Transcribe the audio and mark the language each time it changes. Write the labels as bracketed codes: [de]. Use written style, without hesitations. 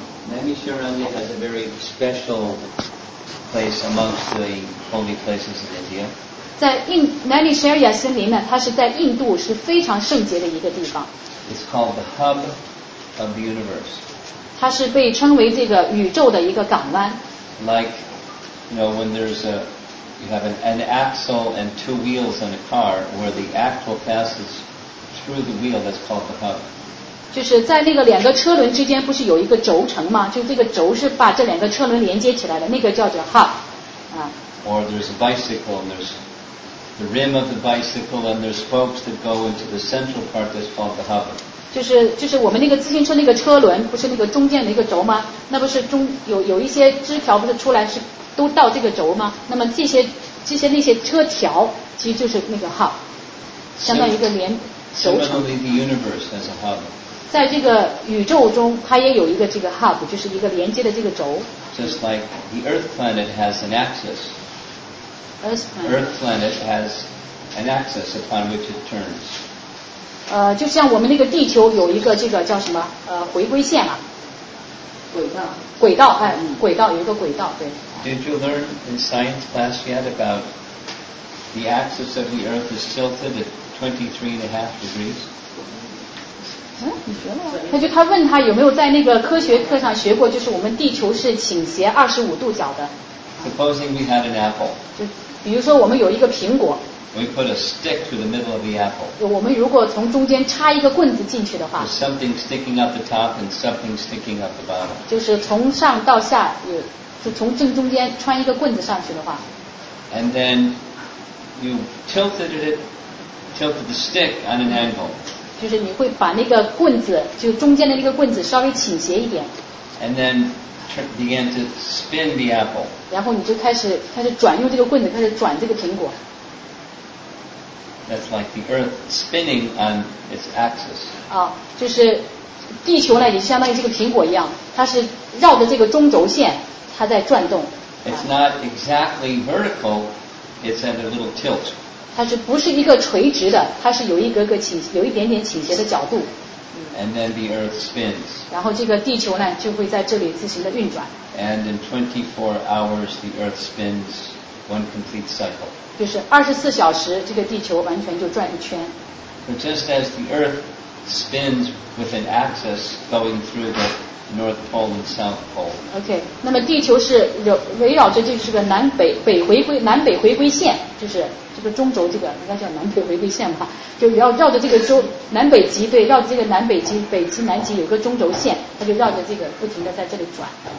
[en] Naimisharanya has a very special place amongst the holy places in India. [zh] 在印 Naimisharanya 森林呢，它是在印度是非常圣洁的一个地方。 [en] It's called the hub of the universe. [zh] 它是被称为这个宇宙的一个港湾。 [en] Like, you know, when there's a, you have an axle and two wheels in a car, where the axle passes through the wheel, that's called the hub. [zh] 就是在那个两个车轮之间不是有一个轴承吗？就这个轴是把这两个车轮连接起来的，那个叫做 hub. [en] Or there's a bicycle and there's the rim of the bicycle and there's spokes that go into the central part, that's called the hub. [zh] 就是我们那个自行车那个车轮不是那个中间的一个轴吗？那不是中有一些枝条不是出来是都到这个轴吗？那么这些那些车条其实就是那个 hub， 相当于一个连轴承。 [en] Similarly, the universe has a hub. [zh] 在这个宇宙中，它也有一个这个 hub， 就是一个连接的这个轴。 [en] Just like the Earth planet has an axis. Earth planet has an axis upon which it turns. [zh] 就像我们那个地球有一个这个叫什么回归线啊，轨道哎，轨道有一个轨道，对。 [en] Did you learn in science class yet about the axis of the Earth is tilted at 23.5 degrees？ [zh] 嗯，你学了？他问他有没有在那个科学课上学过，就是我们地球是倾斜25度角的。 [en] Supposing we had an apple。 [zh] 就比如说我们有一个苹果。 [en] We put a stick to the middle of the apple. [zh] 我们如果从中间插一个棍子进去的话。 [en] There's something sticking up the top and something sticking up the bottom. [zh] 就是从上到下，就从正中间穿一个棍子上去的话。 [en] And then you tilted the stick on an angle. [zh] 就是你会把那个棍子，就中间的那个棍子稍微倾斜一点。 [en] And then began to spin the apple. [zh] 然后你就开始转，用这个棍子开始转这个苹果。 [en] That's like the Earth spinning on its axis. [zh] 啊，就是地球呢，也相当于这个苹果一样，它是绕着这个中轴线，它在转动。 [en] It's not exactly vertical. It's at a little tilt. [zh] 它是不是一个垂直的？它是有一格格倾，有一点点倾斜的角度。 [en] And then the Earth spins. [zh] 然后这个地球呢，就会在这里自行的运转。 [en] And in 24 hours, the Earth spins one complete cycle. [zh] 就是24小时这个地球完全就转一圈。 [en] But just as the Earth spins with an axis going through the North Pole and South Pole. [zh] OK, 那么地球是围绕着这个是个南北回归线，就是这个中轴这个应该叫南北回归线吧，就绕着这个中南北极，对，绕着这个南北极，北极南极有个中轴线，它就绕着这个不停的在这里转。